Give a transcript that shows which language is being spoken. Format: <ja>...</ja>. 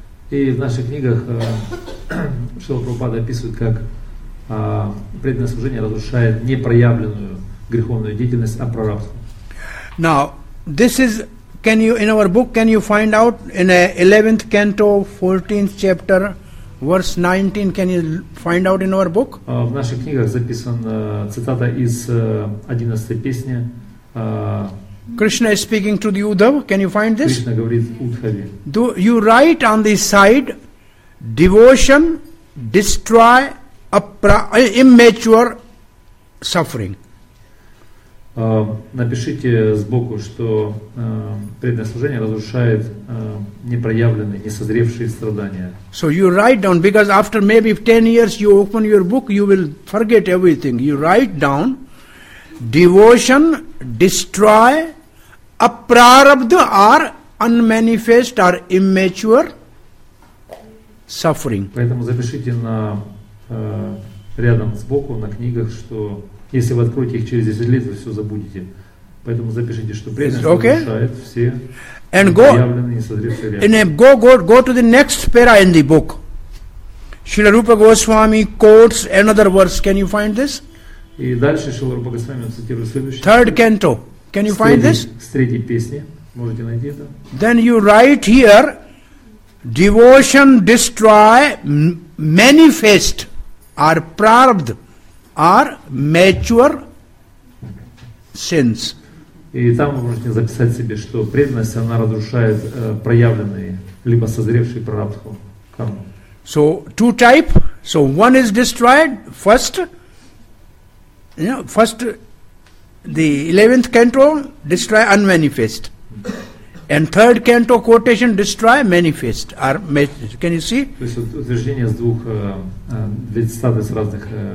<ru>И в наших книгах Шрила Прабхупада описывает, как преданное служение разрушает непроявленную греховную деятельность, а прарабдху.</ru> <en>Now, this is, can you, in our book, can you find out in a 11th canto, 14th chapter, verse 19, can you find out in our book?</en> <ru>В наших книгах записан цитата из 11-й песни,</ru> <en>Krishna is speaking to the Uddhava. Can you find this?</en> <ru>Krishna говорит Uddhаве.</ru> <en>Do you write on this side, devotion destroy immature suffering?</en> <ru>Напишите сбоку, что преданное служение разрушает непроявленные, несозревшие страдания.</ru> <en>So you write down, because after maybe 10 years you open your book, you will forget everything. You write down, devotion destroy aprarabdha or unmanifest or immature suffering.</en> <ru>Поэтому запишите на рядом сбоку на книгах, что если вы откроете их через 10 лет, вы все забудете. Поэтому запишите, что преданность разрушает все проявленные несозревшие реакции.</ru> <en>And go to the next para in the book. Srila Rupa Goswami quotes another verse. Can you find this?</en> <ru>И дальше Srila Rupa Goswami цитирует следующий.</ru> <en>Third canto. Can you find this?</en> <ru>С третьей песни. Можете найти это.</ru> <en>Then you write here, devotion destroy manifest or prarabdha. Are mature sins.</en> <ru>И там вы можете записать себе, что преданность она разрушает проявленные либо созревшие прарабдху.</ru> <en>So two type. So one is destroyed first. You know, first the 11th canto destroy unmanifest, and third canto quotation destroy manifest. Are mature? Can you see?</en> <ru>То есть утверждение с двух статей с разных.</ru>